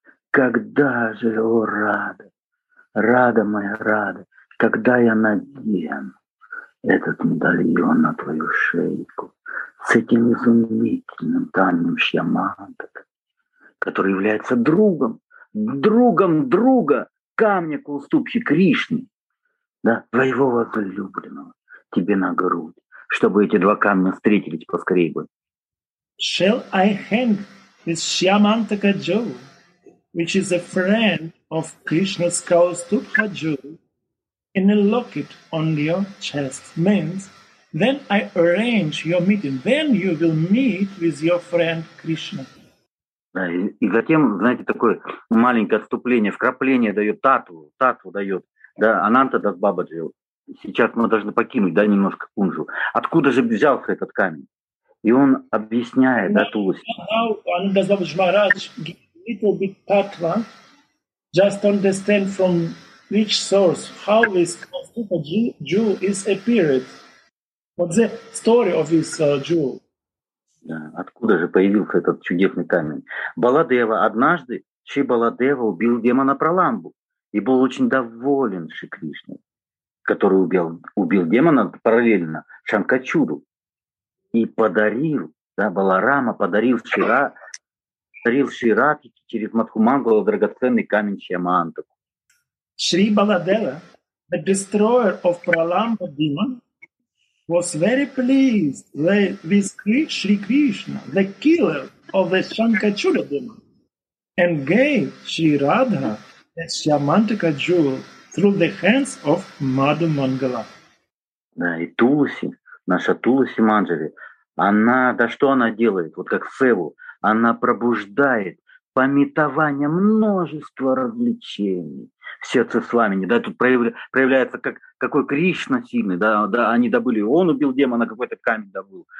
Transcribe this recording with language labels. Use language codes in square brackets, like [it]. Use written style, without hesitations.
[ru] Когда же, о Рада, Рада моя, Рада, когда я надену этот медальон на твою шейку с этим изумительным тайным Шьямантак, который является другом друга камня Кулступхи Кришны, да, твоего возлюбленного, тебе на грудь, чтобы эти два камня встретились поскорее бы. [en] Shall I hang this Shyamantaka Jewel, which is a friend of Krishna's Kaustubha Jewel, in a locket on your chest? Means, then I arrange your meeting. Then you will meet with your friend Krishna. [ru] Да, и затем, знаете, такое маленькое отступление, вкрапление дает татву дает, да, Ананта Дас Бабаджи. Сейчас мы должны покинуть, да, немножко Кунжу. Откуда же взялся этот камень? И он объясняет, да, Тулуси. Ананта Дас Махарадж говорит немного татва, просто [en] understand from which source, how this Kaustubha Jewel is appeared. What's the story of this jewel? [ru] Да. Откуда же появился этот чудесный камень? Баладева. Однажды Шри Баладева убил демона Праламбу и был очень доволен Шри Кришной, который убил демона параллельно Шанкачуду. И подарил, да, Баларама подарил вчера, подарил Шри Радхике через Мадхумангала драгоценный камень Шьямантаку. [en] Шри Баладева, the destroyer of Праламба demon, was very pleased with Shri Krishna, the killer of the Shankachura demon, and gave Shri Radha the Shyamantaka jewel through the hands of Madhu Mangala. [ru] Да, и Тулси, наша Тулси Манджари, она, да что она делает, вот как Севу, она пробуждает пометование множества развлечений в сердце Свамини. Да, тут проявляется, как, какой Кришна сильный. Да, да, они добыли, он убил демона, какой-то камень добыл.